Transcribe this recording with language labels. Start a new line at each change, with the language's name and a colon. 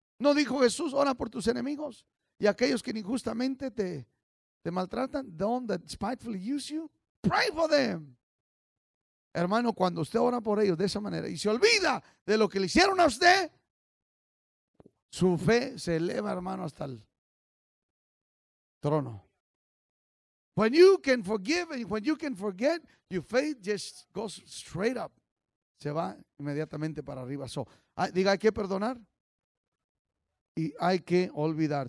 Spanish: ¿No dijo Jesús, ora por tus enemigos y aquellos que injustamente te maltratan?
English: The one that spitefully use you. Pray for them.
Spanish: Hermano, cuando usted ora por ellos de esa manera y se olvida de lo que le hicieron a usted, su fe se eleva, hermano, hasta el trono.
English: When you can forgive and when you can forget, your faith just goes straight up.
Spanish: Se va inmediatamente para arriba. So, diga, hay que perdonar y hay que olvidar.